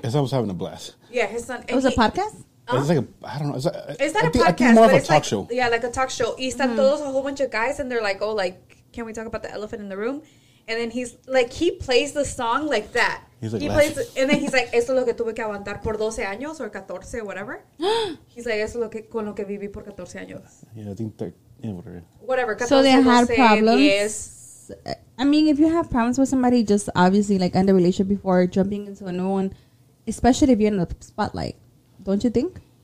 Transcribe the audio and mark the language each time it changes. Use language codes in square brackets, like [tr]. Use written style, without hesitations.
[en] His son was having a blast. Yeah, his son. It was a podcast? Huh? It's like a, I don't know. Is that a podcast? I think more of a talk show. Yeah, like a talk show. He sent those a whole bunch of guys, and they're like, oh, like, can we talk about the elephant in the room? And then he's like, he plays the song like that. He's like, he plays, and then he's like, [es] eso es lo que tuve que aguantar por 12 años [en] or 14, whatever. He's like, [es] eso es lo que, con lo que viví por 14 años. [en] Yeah, I think yeah, whatever. So they had problems. I mean, if you have problems with somebody, just obviously like end a relationship before jumping into a new one, especially if you're in the spotlight, don't you think?